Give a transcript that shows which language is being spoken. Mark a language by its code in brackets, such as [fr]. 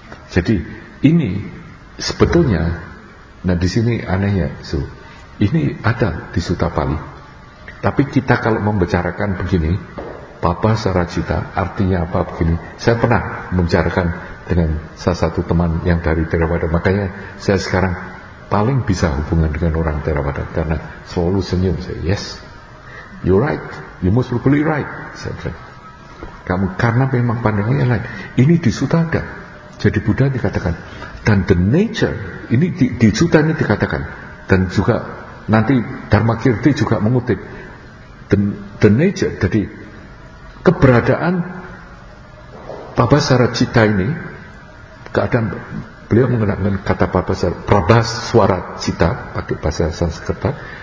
[id] Jadi ini sebetulnya, nah di sini anehnya, ini ada di Sutta Pali. Tapi kita kalau membicarakan begini, Papasaracitta artinya apa begini? Saya pernah membicarakan dengan salah satu teman yang dari Theravada, makanya saya sekarang paling bisa hubungan dengan orang Theravada karena selalu senyum saya. [en] Yes, you're right, you must probably right, [id] saya bilang. Kamu, karena memang pandangannya lain. Ini di Sutta ada. Jadi Buddha dikatakan, dan the nature ini di Sutta ini dikatakan, dan juga nanti Dharmakirti juga mengutip the nature. Jadi keberadaan Papasaracitta ini, keadaan beliau menggunakan kata Papasar, Prabhaswaracitta pakai bahasa Sanskerta.